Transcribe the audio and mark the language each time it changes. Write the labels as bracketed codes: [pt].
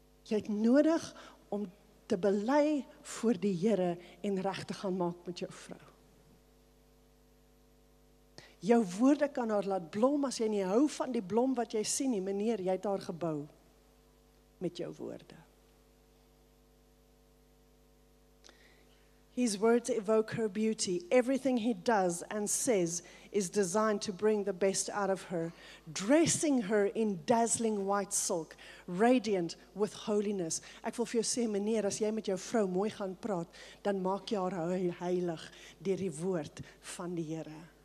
[af] Jy het nodig om te bely voor die Here en recht te gaan maak met jou vrou. Jou woorde kan haar laat blom, as jy nie hou van die blom wat jy sien nie, meneer, jy het haar gebou met jou woorde. [en] His words evoke her beauty. Everything he does and says is designed to bring the best out of her, dressing her in dazzling white silk, radiant with holiness. [af] Ek wil vir jou sê, meneer, as jy met jou vrou mooi gaan praat, dan maak jy haar heilig deur die woord van die Here.